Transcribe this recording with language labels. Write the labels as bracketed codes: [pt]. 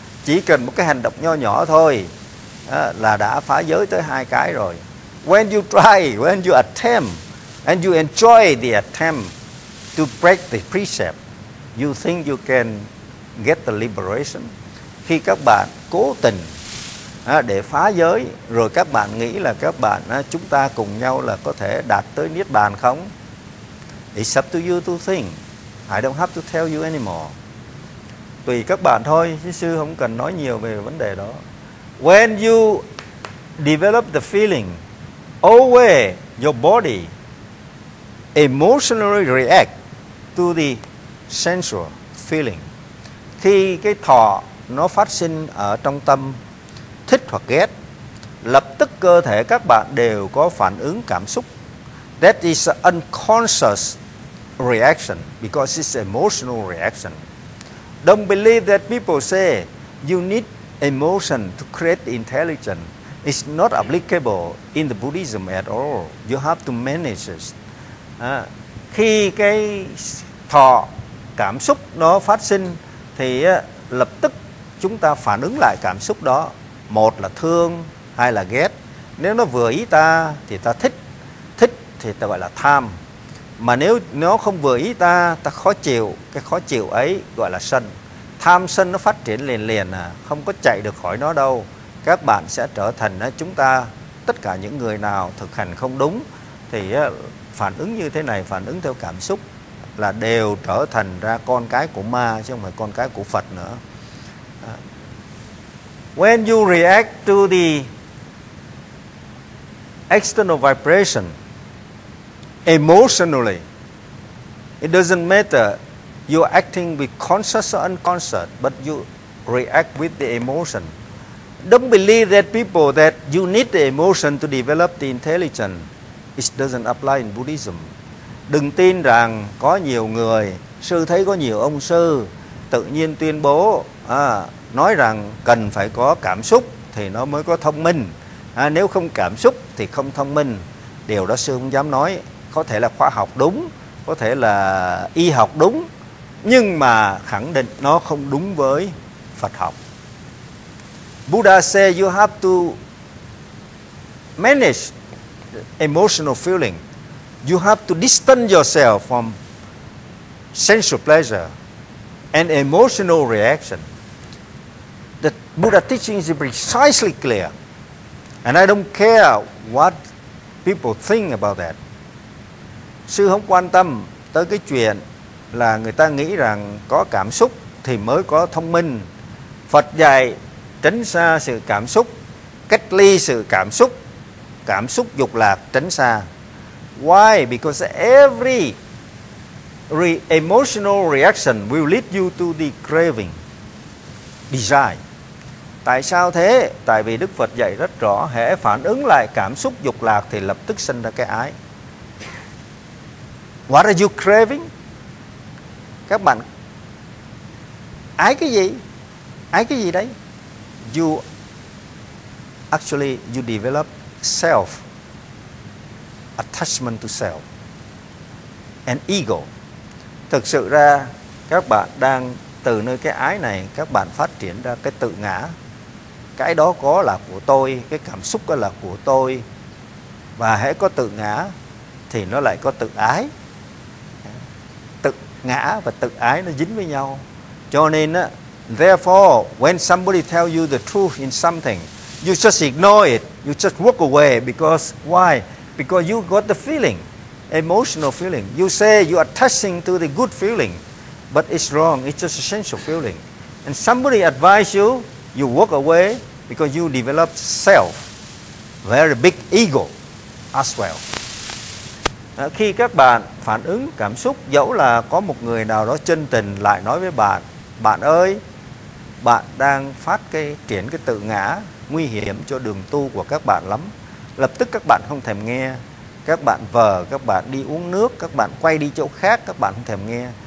[vi] Chỉ cần một cái hành động nho nhỏ thôi là đã phá giới tới hai cái rồi. [en] When you try, when you attempt, and you enjoy the attempt to break the precept, you think you can get the liberation. [vi] Khi các bạn cố tình để phá giới, rồi các bạn nghĩ là các bạn chúng ta cùng nhau là có thể đạt tới Niết Bàn không? [en] It's up to you to think. I don't have to tell you anymore. [vi] Tùy các bạn thôi, chứ sư không cần nói nhiều về vấn đề đó. [en] When you develop the feeling, always your body emotionally react to the sensual feeling. [vi] Khi cái thọ nó phát sinh ở trong tâm, thích hoặc ghét, lập tức cơ thể các bạn đều có phản ứng cảm xúc. [en] That is an unconscious reaction because it's emotional reaction. Don't believe that people say you need emotion to create intelligence. It's not applicable in the Buddhism at all. You have to manage it. [vi] Khi cái thọ cảm xúc nó phát sinh thì lập tức chúng ta phản ứng lại cảm xúc đó. Một là thương, hai là ghét. Nếu nó vừa ý ta thì ta thích. Thích thì ta gọi là tham. Mà nếu nó không vừa ý ta, ta khó chịu. Cái khó chịu ấy gọi là sân. Tham sân nó phát triển liền liền à, không có chạy được khỏi nó đâu. Các bạn sẽ trở thành chúng ta, tất cả những người nào thực hành không đúng thì phản ứng như thế này, phản ứng theo cảm xúc là đều trở thành ra con cái của ma chứ không phải con cái của Phật nữa. [en] When you react to the external vibration emotionally, it doesn't matter you are acting with conscious or unconscious, but you react with the emotion. Don't believe that people that you need the emotion to develop the intelligence. It doesn't apply in Buddhism. [vi] Đừng tin rằng có nhiều người, sư thấy có nhiều ông sư tự nhiên tuyên bố nói rằng cần phải có cảm xúc thì nó mới có thông minh. Nếu không cảm xúc thì không thông minh. Điều đó sư không dám nói. Có thể là khoa học đúng, có thể là y học đúng, nhưng mà khẳng định nó không đúng với Phật học. [en] Buddha said you have to manage emotional feeling. You have to distance yourself from sensual pleasure and emotional reaction. The Buddha teaching is precisely clear. And I don't care what people think about that. [vi] Sư không quan tâm tới cái chuyện là người ta nghĩ rằng có cảm xúc thì mới có thông minh. Phật dạy tránh xa sự cảm xúc, cách ly sự cảm xúc dục lạc tránh xa. [en] Why? Because every emotional reaction will lead you to the craving, desire. [vi] Tại sao thế? Tại vì Đức Phật dạy rất rõ, hễ phản ứng lại cảm xúc dục lạc thì lập tức sinh ra cái ái. [en] What are you craving? [vi] Các bạn ái cái gì? Ái cái gì đấy? [en] You actually you develop self attachment to self and ego. [vi] Thực sự ra các bạn đang từ nơi cái ái này các bạn phát triển ra cái tự ngã. Cái đó có là của tôi, cái cảm xúc đó là của tôi. Và hễ có tự ngã thì nó lại có tự ái. Tự ngã và tự ái nó dính với nhau. Cho nên á, [en] therefore, when somebody tells you the truth in something, you just ignore it. You just walk away. Because why? Because you got the feeling, emotional feeling. You say you are attaching to the good feeling, but it's wrong. It's just a sensual feeling. And somebody advise you, you walk away because you develop self, very big ego as well. [vi] Khi các bạn phản ứng cảm xúc, dẫu là có một người nào đó chân tình lại nói với bạn, bạn ơi, bạn đang phát cái triển cái tự ngã nguy hiểm cho đường tu của các bạn lắm. Lập tức các bạn không thèm nghe. Các bạn vờ, các bạn đi uống nước, các bạn quay đi chỗ khác, các bạn không thèm nghe.